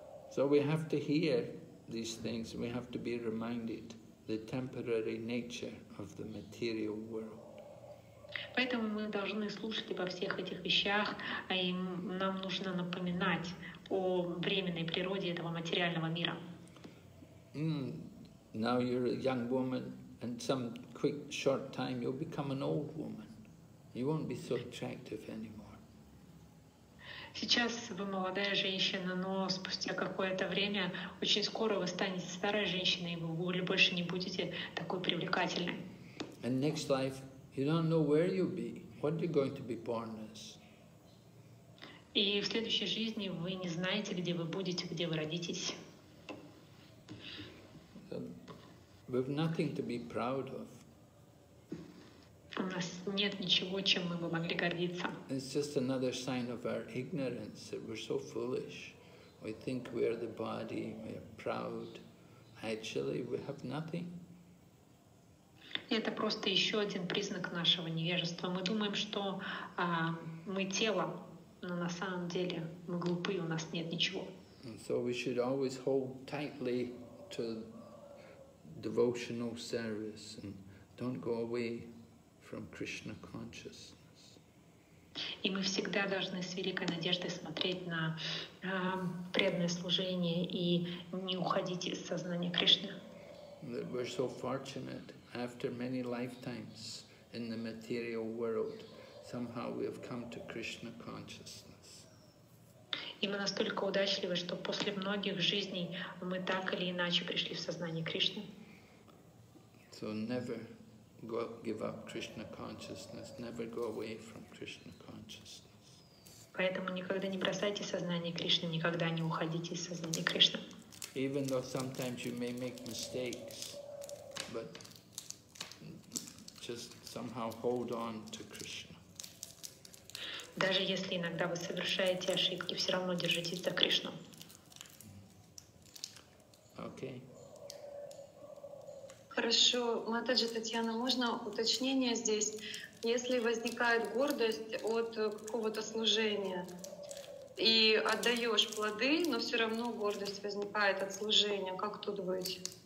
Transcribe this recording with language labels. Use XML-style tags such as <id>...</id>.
<en>So we have to hear these things, we have to be reminded the temporary nature of the material world.</en> <ru>Поэтому мы должны слушать обо всех этих вещах, и нам нужно напоминать о временной природе этого материального мира.</ru> <en>Now you're a young woman. And some quick, short time, you'll become an old woman. You won't be so attractive anymore.</en> <ru>Сейчас вы молодая женщина, но спустя какое-то время очень скоро вы станете старой женщиной, и вы больше не будете такой привлекательной.</ru> <en>And next life, you don't know where you'll be. What are you going to be born as?</en> <ru>И в следующей жизни вы не знаете, где вы будете, где вы родитесь.</ru> <en>We have nothing to be proud of.</en> <ru>У нас нет ничего, чем мы бы могли гордиться.</ru> <en>It's just another sign of our ignorance, that we're so foolish. We think we are the body, we are proud. Actually, we have nothing.</en> <ru>Это просто еще один признак нашего невежества. Мы думаем, что мы тело, но на самом деле мы глупы, у нас нет ничего.</ru> <en>And so we should always hold tightly to devotional service and don't go away from Krishna consciousness.</en> <ru>И мы всегда должны с великой надеждой смотреть на преданное служение и не уходить из сознания Кришны.</ru> <en>We're so fortunate after many lifetimes in the material world. Somehow we have come to Krishna consciousness.</en> <ru>И мы настолько удачливы, что после многих жизней мы так или иначе пришли в сознание Кришны.</ru> <en>So never go, give up Krishna consciousness. Never go away from Krishna consciousness.</en> <ru>Поэтому никогда не бросайте сознание Кришны, никогда не уходите из сознания Кришны.</ru> <en>Even though sometimes you may make mistakes, but just somehow hold on to Krishna.</en> <ru>Даже если иногда вы совершаете ошибки, все равно держитесь за Кришну.</ru> <en>Okay.</en> <ru>Хорошо, Матаджи Татьяна, можно уточнение здесь? Если возникает гордость от какого-то служения, и отдаешь плоды, но все равно гордость возникает от служения, как тут быть?</ru>